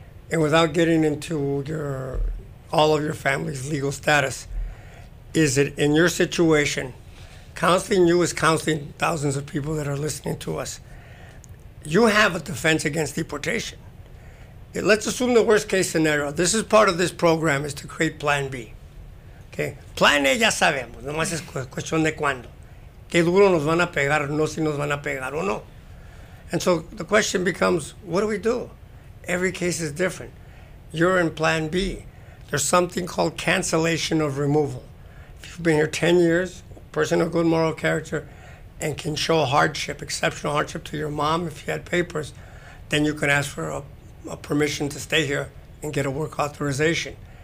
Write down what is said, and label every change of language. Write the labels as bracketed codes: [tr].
[en] And without getting into all of your family's legal status, is it in your situation, counseling you is counseling thousands of people that are listening to us, you have a defense against deportation. Let's assume the worst case scenario. This is part of this program, is to create Plan B. [es] Okay, Plan A ya sabemos, nomás es cuestión de cuándo. Qué duro nos van a pegar, no si nos van a pegar o no. [en] And so the question becomes, what do we do? Every case is different. You're in Plan B. There's something called cancellation of removal. If you've been here 10 years, person of good moral character, and can show hardship, exceptional hardship to your mom if you had papers, then you can ask for a permission to stay here and get a work authorization.